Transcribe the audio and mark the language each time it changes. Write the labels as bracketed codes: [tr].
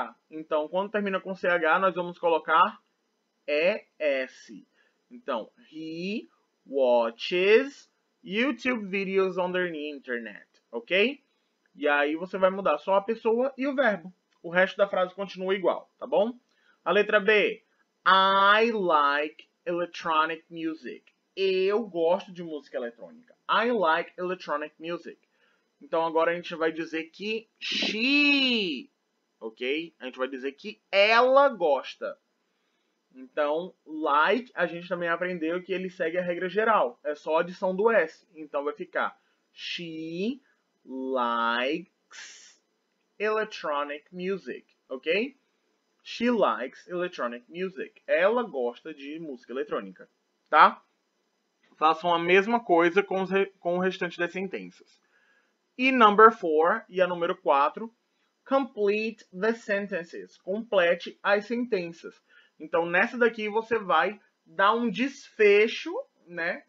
[pt] Então, quando termina com ch, nós vamos colocar es. [en] Então, he watches YouTube videos on the internet, ok? [pt] E aí, você vai mudar só a pessoa e o verbo. O resto da frase continua igual, tá bom? A letra B. [en] I like electronic music. [pt] Eu gosto de música eletrônica. [en] I like electronic music. [pt] Então, agora a gente vai dizer que she, ok? A gente vai dizer que ela gosta. Então, like, a gente também aprendeu que ele segue a regra geral. É só a adição do S. Então, vai ficar [en] she likes electronic music, [pt] ok? [en] She likes electronic music. [pt] Ela gosta de música eletrônica, tá? Façam a mesma coisa com o restante das sentenças. [en] E number 4, [pt] e a número 4, [en] complete the sentences. [pt] Complete as sentenças. Então, nessa daqui, você vai dar um desfecho, né?